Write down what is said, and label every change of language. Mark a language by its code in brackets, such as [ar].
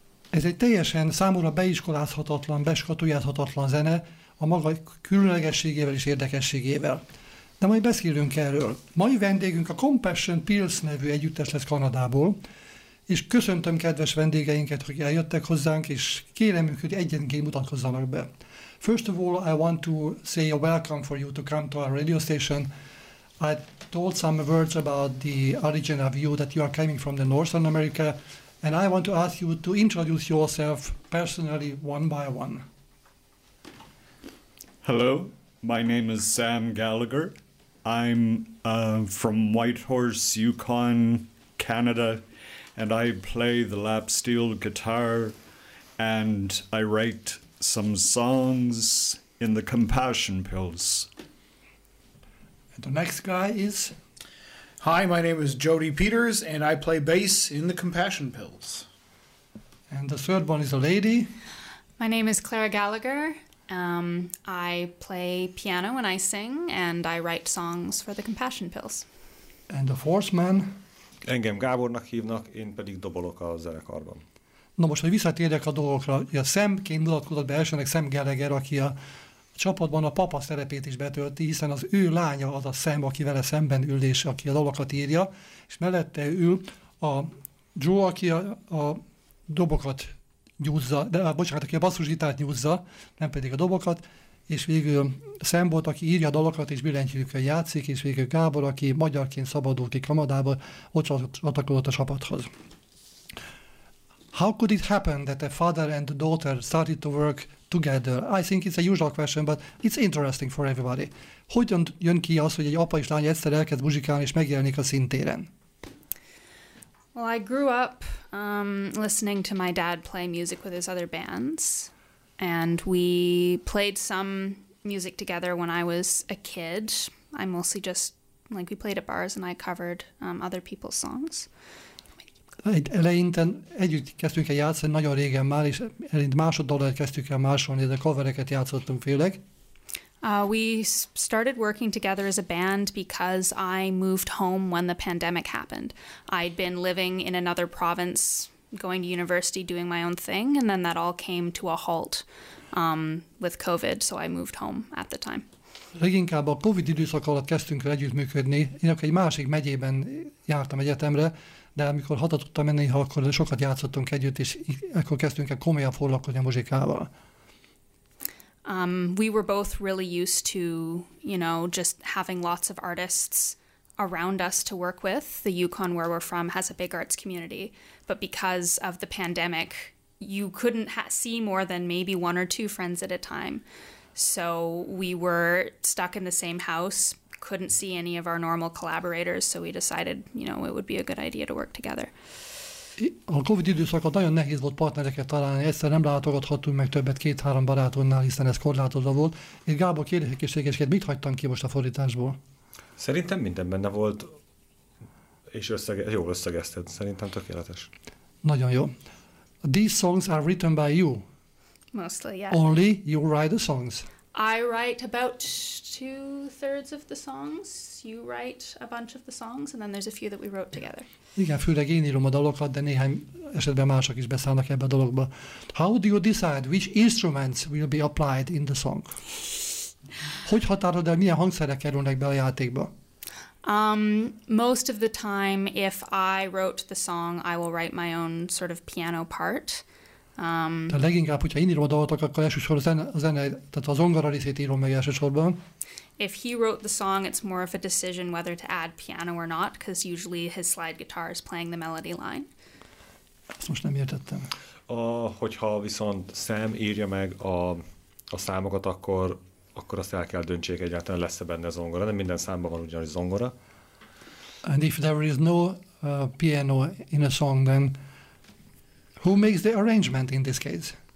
[hu] Ez egy teljesen számomra beiskolázhatatlan, beskatujázhatatlan zene, a maga különlegességével és érdekességével. De majd beszélünk erről. Mai vendégünk a Compassion Pills nevű együttes lesz Kanadából, és köszöntöm kedves vendégeinket, hogy eljöttek hozzánk, és kérem őket, hogy egyenként mutatkozzanak be. [en] First of all, I want to say a welcome for you to come to our radio station. I told some words about the origin of you, that you are coming from the Northern America, and I want to ask you to introduce yourself personally, one by one. Hello. My name is Sam Gallagher. I'm from Whitehorse, Yukon, Canada, and I play the lap steel guitar, and I write some songs in the Compassion Pills. And the next guy is? Hi, my name is Jody Peters, and I play bass in the Compassion Pills. And the third one is a lady. My name is Clara Gallagher. I play piano when I sing, and I write songs for the Compassion Pills. And the fourth man? [hu] Engem Gábornak hívnak, én pedig dobolok a zenekarban. Na most, hogy visszatérjek a dolgokra, ugye Samként mutatkozott be elsőnek Sam Gallagher, aki a csapatban a papa szerepét is betölti, hiszen az ő lánya az a Sam, aki vele szemben ül, és aki a dalokat írja, és mellette ül a Joe, aki a dobokat nyúzza, de bocsánat, aki a basszusgitárt nyúzza, nem pedig a dobokat, és végül Sam volt, aki írja a dalokat, és billentyűkkel játszik, és végül Gábor, aki magyarként szabadult ki Kanadába, ott csatlakozott a csapathoz. [en] How could it happen that a father and a daughter started to work together? I think it's a usual question, but it's interesting for everybody. [hu] Hogyan jön ki az, hogy egy apa és lány egyszer elkezd muzsikálni, és megjelenik a színtéren? [en] Well, I grew up listening to my dad play music with his other bands, and we played some music together when I was a kid. I mostly just, like, we played at bars and I covered other people's songs. [hu] Eleinte együtt kezdtünk el játszani, nagyon régen már, és eleinte másoddalat kezdtük el másolni, de covereket játszottunk főleg. [en] We started working together as a band because I moved home when the pandemic happened. I'd been living in another province, going to university, doing my own thing, and then that all came to a halt with COVID, so I moved home at the time. [hu] Leginkább a COVID időszak alatt kezdtünk el együttműködni. Én akkor egy másik megyében jártam egyetemre, de amikor haza tudtam menni, akkor sokat játszottunk együtt, és akkor kezdtünk el komolyan foglalkozni a muzsikával. [en] We were both really used to, you know, just having lots of artists around us to work with. The Yukon, where we're from, has a big arts community. But because of the pandemic, you couldn't see more than maybe one or two friends at a time. So we were stuck in the same house, couldn't see any of our normal collaborators. So we decided, you know, it would be a good idea to work together. [hu] A COVID időszakban nagyon nehéz volt partnereket találni, egyszer nem látogathattunk meg többet két-három barátonnál, hiszen ez korlátozva volt. Én Gábor kérdésekészségesként mit hagytam ki most a fordításból? Szerintem minden benne volt, és jól összegezted. Szerintem tökéletes. Nagyon jó. [en] These songs are written by you. Mostly, yeah. Only you write the songs. I write about 2/3 of the songs, you write a bunch of the songs, and then there's a few that we wrote together. [hu] Igen, főleg én írom a dalokat, de néhány esetben mások is beszállnak ebbe a dologba. [en] How do you decide which instruments will be applied in the song? [hu] Hogy határod el, milyen hangszerek kerülnek be a játékba? [en] Most of the time, if I wrote the song, I will write my own sort of piano part. [hu] De leginkább, hogyha én írom a dalokat, akkor elsősorban a zene, tehát a zongora részét írom meg elsősorban. [en] If he wrote the song, it's more of a decision whether to add piano or not, because usually his slide guitar is playing the melody line. [hu] Ezt most nem értettem. Hogyha viszont Sam írja meg a számokat, akkor azt el kell döntsék egyáltalán, lesz-e benne a zongora. Nem minden számban van ugyanis zongora. [en] And if there is no piano in a song, then who makes the arrangement in this case?